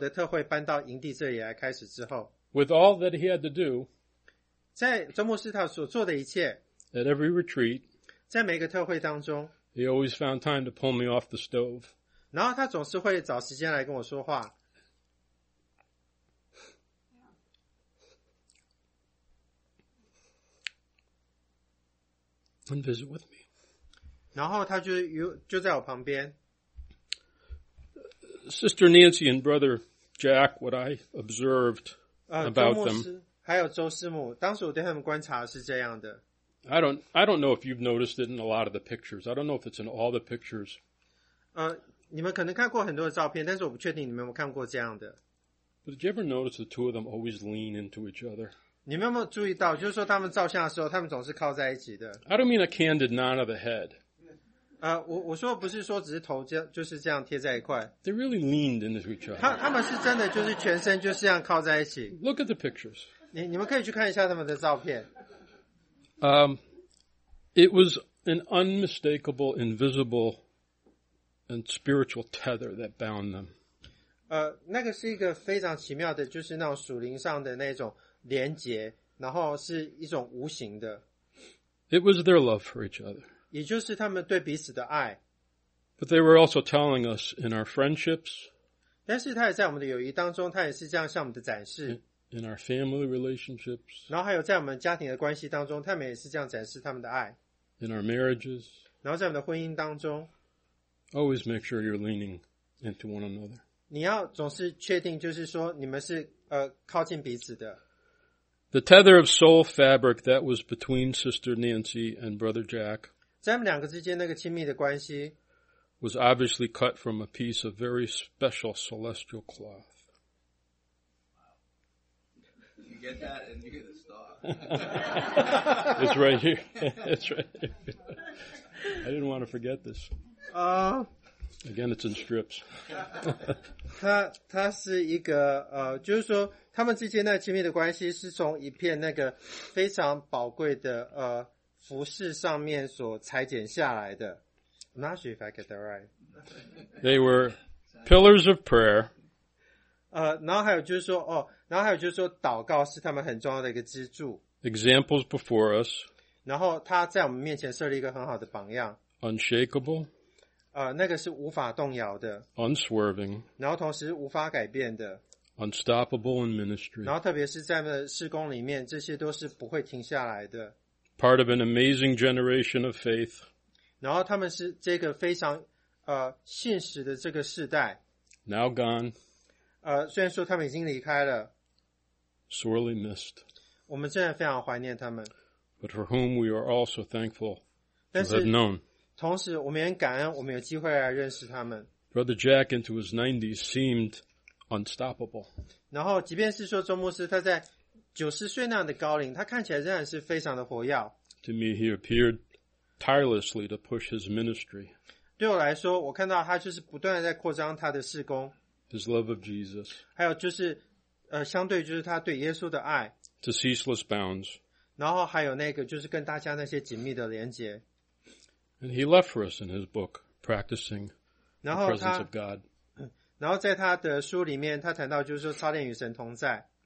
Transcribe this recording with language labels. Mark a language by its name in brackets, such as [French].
[Chinese] 所以那个友谊就不断的这样增长，然后他越来越强壮，就是特别是在那个周牧师把那个内在生活的特会搬到营地这里来开始之后。 [English] With all that he had to do, [Chinese] 在周牧师他所做的一切, [English] at every retreat, [Chinese] 在每一个特会当中, [English] he always found time to pull me off the stove. [Chinese] 然后他总是会找时间来跟我说话。 [English] And visit with me. [Chinese] 然后他就在我旁边。 [English] Sister Nancy and Brother Jack, what I observed about them. [Chinese] 还有周师母, 当时我对他们观察是这样的。 [English] I don't know if you've noticed it in a lot of the pictures. I don't know if it's in all the pictures. [Chinese] 你们可能看过很多的照片, 但是我不确定你们有没有看过这样的。 [English] But did you ever notice the two of them always lean into each other? [Chinese] 你们有没有注意到, 就是说他们照相的时候, 他们总是靠在一起的。 [English] I don't mean a candid nod of the head. [Chinese] 我说不是说只是头就是这样贴在一块。 [English] They really leaned into each other. [Chinese] 他们是真的就是全身就是这样靠在一起。 [English] Look at the pictures. [Chinese] 你们可以去看一下他们的照片。 [English] It was an unmistakable, invisible, and spiritual tether that bound them. [Chinese] 那个是一个非常奇妙的, 就是那种属灵上的那种, 连结, [English] it was their love for each other. [Chinese] 也就是他们对彼此的爱。 [English] But they were also telling us in our friendships. [Chinese] 但是他也在我们的友谊当中, 他也是这样向我们的展示。 [English] In our family relationships. [Chinese] 然后还有在我们家庭的关系当中, 他们也是这样展示他们的爱。 [English] In our marriages. [Chinese] 然后在我们的婚姻当中, [English] always make sure you're leaning into one another. [Chinese] 你要总是确定就是说你们是, 靠近彼此的。 [English] The tether of soul fabric that was between Sister Nancy and Brother Jack was obviously cut from a piece of very special celestial cloth. Wow. You get that and you hear the star. It's right here. It's right here. I didn't want to forget this. Again, it's in strips. [Chinese] 它是一个,就是说, 他们之间的亲密的关系是从一片那个非常宝贵的, 服饰上面所裁剪下来的。 [English] I'm not sure if I get that right. They were pillars of prayer. [Chinese] 然后还有就是说,祷告是他们很重要的一个支柱。 [English] Examples before us. [Chinese] 然后他在我们面前设立一个很好的榜样。 [English] Unshakable. [Chinese] 那个是无法动摇的。 [English] Unswerving. [Chinese] 然后同时无法改变的。 [English] unstoppable in ministry. [Chinese] 然后特别是在事工里面，这些都是不会停下来的。 [English] Part of an amazing generation of faith. [Chinese] 然后他们是这个非常信实的这个世代。 [English] Now gone. [Chinese] 虽然说他们已经离开了。 [English] Sorely missed. [Chinese] 我们真的非常怀念他们。 [English] But for whom we are also thankful to have known. [Chinese] 同时我们也感恩我们有机会来认识他们。 [English] Brother Jack into his 90s seemed unstoppable. [Chinese] 然后即便是说周牧师他在90岁那样的高龄，他看起来仍然是非常的活跃。 [English] To me, he appeared tirelessly to push his ministry. [Chinese] 对我来说，我看到他就是不断地在扩张他的事工。 [English] His love of Jesus. [Chinese] 还有就是相对就是他对耶稣的爱。 [English] To ceaseless bounds. [Chinese] 然后还有那个就是跟大家那些紧密的连结。 [English] And he left for us in his book, Practicing the Presence of God. [Chinese] 然后在他的书里面，他谈到就是说操练与神同在。